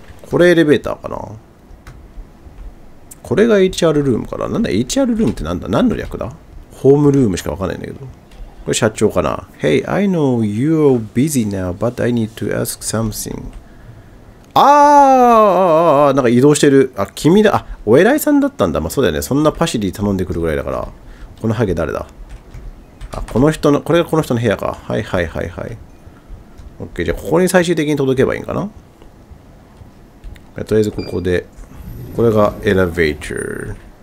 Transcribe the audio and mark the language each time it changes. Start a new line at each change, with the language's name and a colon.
Japanese: これエレベーターかな？これが HR ルームかな？なんだ ?HR ルームってなんだ？何の略だ？ホームルームしかわかんないんだけど。これ社長かな？
English: Hey, I know you're busy now, but I need to ask something.
Japanese: なんか移動してる。あ、君だ。あ、お偉いさんだったんだ。まあそうだよね。そんなパシリ頼んでくるぐらいだから。このハゲ誰だ？あ、この人の、これがこの人の部屋か。はいはいはいはい。OK、じゃあここに最終的に届けばいいんかな。とりあえずここで、これがエレベーター。